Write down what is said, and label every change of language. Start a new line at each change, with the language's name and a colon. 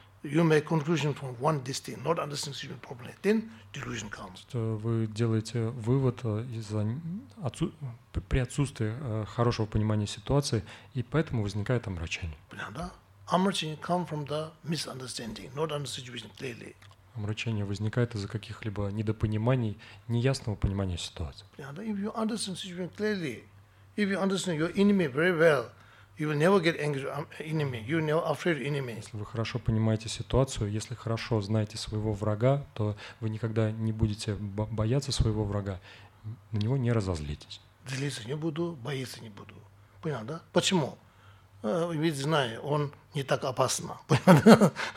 English: you make conclusion from one distinct, not understanding the human problem, then delusion comes.
Russian: Вы делаете вывод из-за при отсутствии хорошего понимания ситуации, и поэтому возникает омрачение. Да.
English: Омрачение comes from the misunderstanding, not understanding the situation clearly.
Russian: Омрачение возникает из-за каких-либо недопониманий, неясного понимания ситуации. Да.
English: If you understand the situation clearly, if you understand your enemy very well, you will never get angry at enemy. You will never afraid of enemy.
Russian: Если вы хорошо понимаете ситуацию, если хорошо знаете своего врага, то вы никогда не будете бояться своего врага, на него не разозлитесь. Злиться не буду, бояться не буду. Понял, да? Почему? Ведь знаю, он не так опасен. Понял?